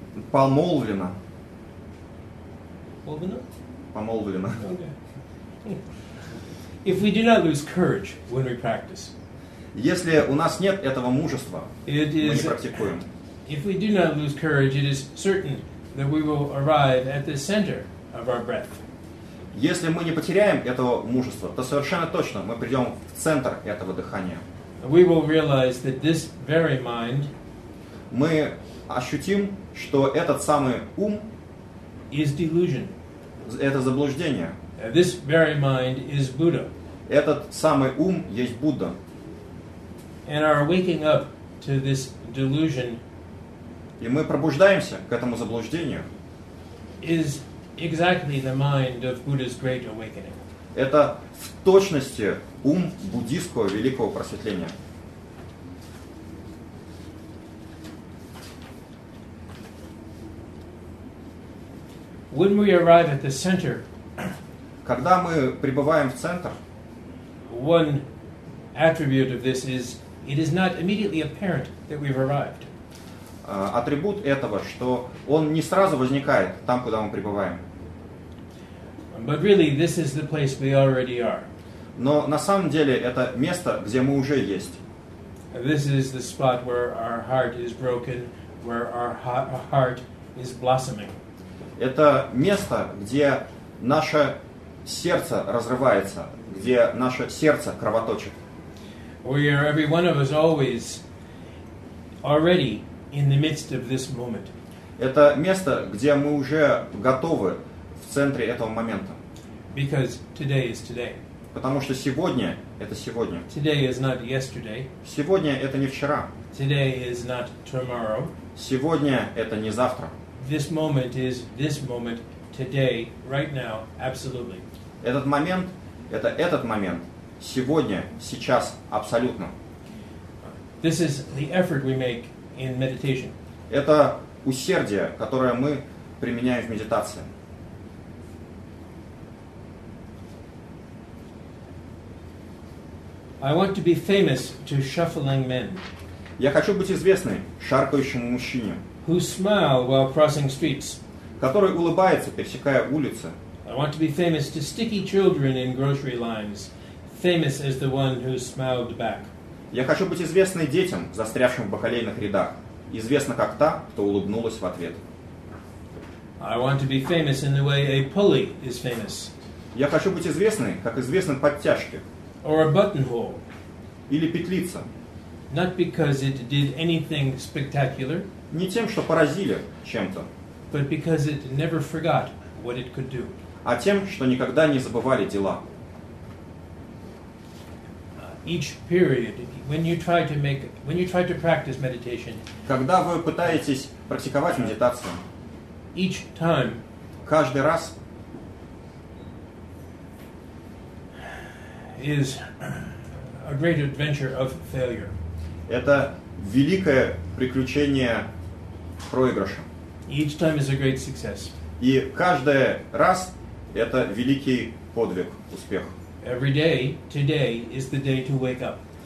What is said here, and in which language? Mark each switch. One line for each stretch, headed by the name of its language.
Russian: Помолвлено. Помолвлено? Помолвлено.
English: Okay. If we do not lose courage when we practice.
Russian: Если у нас нет этого мужества, мы не практикуем.
English: If we do not lose courage, it is certain that we will arrive at the center of our breath.
Russian: Если мы не потеряем этого мужества, то совершенно точно мы придем в центр этого дыхания.
English: We will realize that this very mind.
Russian: Мы ощутим, что этот самый ум.
English: Is delusion.
Russian: Это заблуждение.
English: This very mind is Buddha.
Russian: Этот самый ум есть Будда.
English: And are waking up to this delusion.
Russian: И мы пробуждаемся к этому заблуждению.
English: Is exactly the mind of Buddha's great awakening.
Russian: Это в точности ум буддийского великого просветления.
English: When we arrive at the center.
Russian: Когда мы прибываем в центр.
English: One attribute of this is it is not immediately apparent that we've arrived.
Russian: Атрибут этого, что он не сразу возникает там, куда мы прибываем.
English: But really, this is the place we already are.
Russian: Но на самом деле это место, где мы уже есть.
English: This is the spot where our heart is broken, where our heart is blossoming.
Russian: Это место, где наше сердце разрывается, где наше сердце кровоточит.
English: We are every one of us always already in the midst of this moment.
Russian: Это место, где мы уже готовы в центре этого момента.
English: Because today is today.
Russian: Потому что сегодня это сегодня.
English: Today is not yesterday.
Russian: Сегодня это не вчера.
English: Today is not tomorrow.
Russian: Сегодня это не завтра.
English: This moment is this moment today, right now, absolutely.
Russian: Этот момент это этот момент. Сегодня, сейчас, абсолютно.
English: This is the effort we make in meditation.
Russian: Это усердие, которое мы применяем в медитации.
English: I want to be famous to shuffling men.
Russian: Я хочу быть известной шаркающему мужчине.
English: Who smile while crossing streets.
Russian: Который улыбается, пересекая улицы.
English: I want to be famous to sticky children in grocery lines. Famous as the one who smiled back.
Russian: Я хочу быть известной детям, застрявшим в бакалейных рядах. Известна как та, кто улыбнулась в ответ.
English: I want to be famous in the way a pulley is famous.
Russian: Я хочу быть известной, как известны подтяжки.
English: Or a buttonhole.
Russian: Или петлица.
English: Not because it did anything spectacular.
Russian: Не тем, что поразили чем-то.
English: But because it never forgot what it could do.
Russian: А тем, что никогда не забывали дела.
English: Each period, when you try to practice meditation,
Russian: когда вы пытаетесь практиковать медитацию,
English: each time,
Russian: каждый раз,
English: is a great adventure of failure.
Russian: Это великое приключение проигрыша.
English: Each time is a great success.
Russian: И каждый раз это великий подвиг, успех.
English: Every day, today is the day to wake up.